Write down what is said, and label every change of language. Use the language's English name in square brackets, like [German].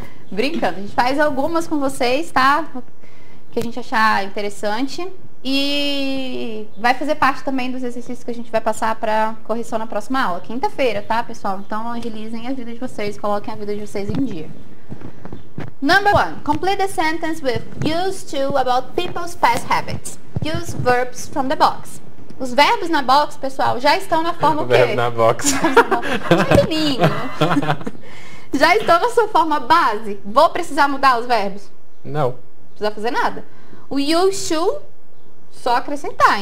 [Portuguese] Brincando, a gente faz algumas com vocês, tá? Que a gente achar interessante. E vai fazer parte também dos exercícios que a gente vai passar para correção na próxima aula, quinta-feira, tá, pessoal? Então agilizem a vida de vocês, coloquem a vida de vocês em dia. [English] Number one, complete the sentence with used to about people's past habits. Use verbs from the box. [Portuguese] Os verbos na box, pessoal, já estão na forma verbo o quê? Verbo na box. Pequenininho. Já estão na sua forma base. Vou precisar mudar os verbos? Não. Não precisa fazer nada. O used to, só acrescentar.